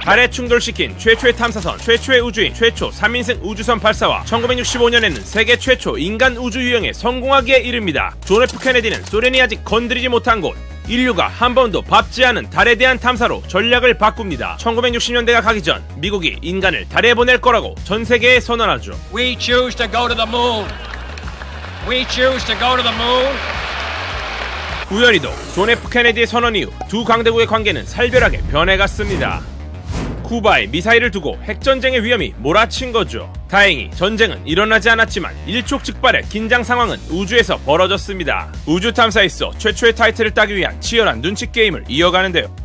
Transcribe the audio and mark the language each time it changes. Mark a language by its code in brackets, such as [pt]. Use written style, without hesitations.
[ko] 달에 충돌시킨 최초의 탐사선, 최초의 우주인, 최초 3인승 우주선 발사와 1965년에는 세계 최초 인간 우주유영에 성공하기에 이릅니다. 존 F. 케네디는 소련이 아직 건드리지 못한 곳, 인류가 한 번도 밟지 않은 달에 대한 탐사로 전략을 바꿉니다. 1960년대가 가기 전 미국이 인간을 달에 보낼 거라고 전 세계에 선언하죠. [en] We choose to go to the moon. We choose to go to the moon. [ko] 우연히도 존 F. 케네디의 선언 이후 두 강대국의 관계는 살벼락에 변해갔습니다. 쿠바에 미사일을 두고 핵전쟁의 위험이 몰아친 거죠. 다행히 전쟁은 일어나지 않았지만 일촉즉발의 긴장 상황은 우주에서 벌어졌습니다. 우주 탐사에 있어 최초의 타이틀을 따기 위한 치열한 눈치 게임을 이어가는데요.